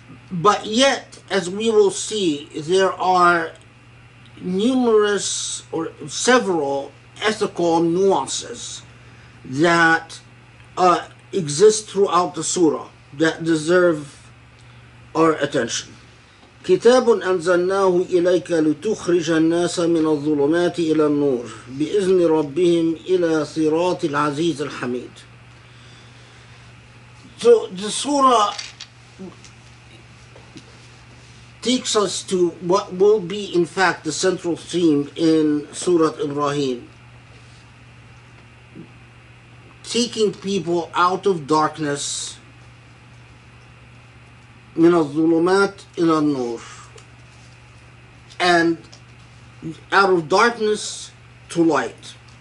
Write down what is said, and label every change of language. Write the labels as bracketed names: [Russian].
[English] But yet, as we will see, there are numerous or several ethical nuances that exist throughout the surah that deserve our attention. [Arabic] كتاب أنزلناه إليك لتخرج الناس من الظلمات إلى النور بإذن ربهم إلى صراط العزيز الحميد. [English] So the surah takes us to what will be in fact the central theme in Surah Ibrahim. Taking people out of darkness, [Arabic] من الظلمات إلى النور, [English] and out of darkness to light.